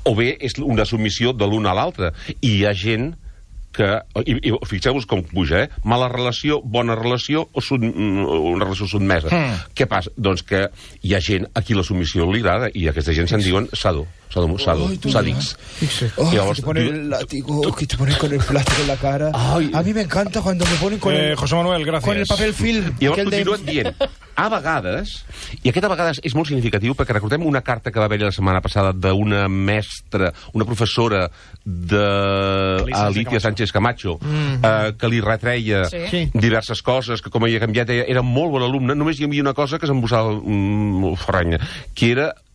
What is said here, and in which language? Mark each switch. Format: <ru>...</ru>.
<ca>O bé és una submissió de l'una a l'altra. I hi ha gent que... I fixeu-vos com puja, mala relació, bona relació o una relació sotmesa. Mm. Què passa? Doncs que hi ha gent a qui la submissió li agrada i aquesta gent se'n diuen sado. Sádics.</ca> <es>Oh, que te ponen el látigo, que te ponen con el plástico en la cara. Ay. A mí me encanta cuando me ponen con José Manuel, gracias. Con el papel film.</es> <ca>I llavors continuen dient, a vegades, i aquest a vegades és molt significatiu, perquè recordem una carta que va haver-hi la setmana passada d'una mestra, una professora de Alicia Sánchez Camacho, que li retreia diverses coses, que com havia canviat, era molt bon alumne, només hi havia una cosa que s'embossava ferranya, que era...</ca>